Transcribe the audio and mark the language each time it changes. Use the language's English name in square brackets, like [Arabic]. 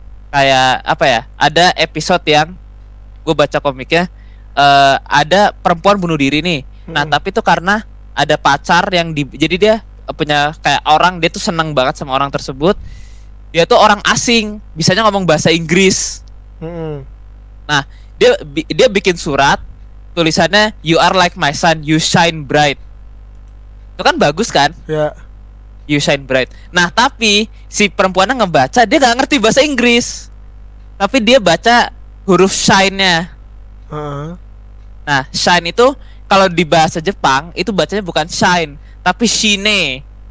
[Indonesian] Kayak apa ya, ada episode yang gue baca komiknya, ada perempuan bunuh diri nih. Nah tapi itu karena ada pacar yang jadi dia punya kayak orang, dia tuh seneng banget sama orang tersebut. Dia tuh orang asing, bisanya ngomong bahasa Inggris. Nah dia bikin surat, tulisannya [English] "You are like my son, you shine bright." [Indonesian] Itu kan bagus kan? Iya. [English] You shine bright. [Indonesian] Nah tapi si perempuannya ngebaca, dia gak ngerti bahasa Inggris, tapi dia baca huruf shine-nya. Nah shine itu kalau di bahasa Jepang itu bacanya bukan shine tapi shine.